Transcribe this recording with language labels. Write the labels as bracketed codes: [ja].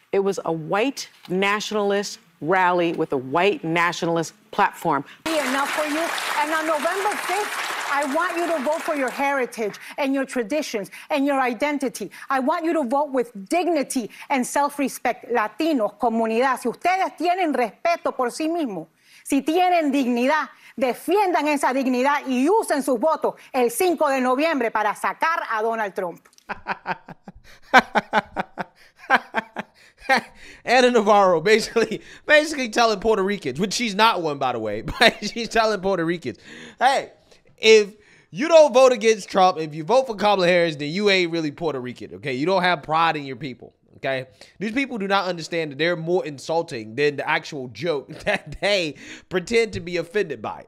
[en] It was a white nationalist rally with a white nationalist platform. Enough for you. And on November 5th, I want you to vote for your heritage and your traditions and your identity. I want you to vote with dignity and self-respect. [es] Latinos, comunidad, si ustedes tienen respeto por sí mismos, si tienen dignidad, defiendan esa dignidad y usen sus votos el 5 de noviembre para sacar a Donald Trump. [en] Ana Navarro basically telling Puerto Ricans, which she's not one, by the way, but she's telling Puerto Ricans, hey, if you don't vote against Trump, if you vote for Kamala Harris, then you ain't really Puerto Rican, okay? You don't have pride in your people. Okay, these people do not understand that they're more insulting than the actual joke that they pretend to be offended by.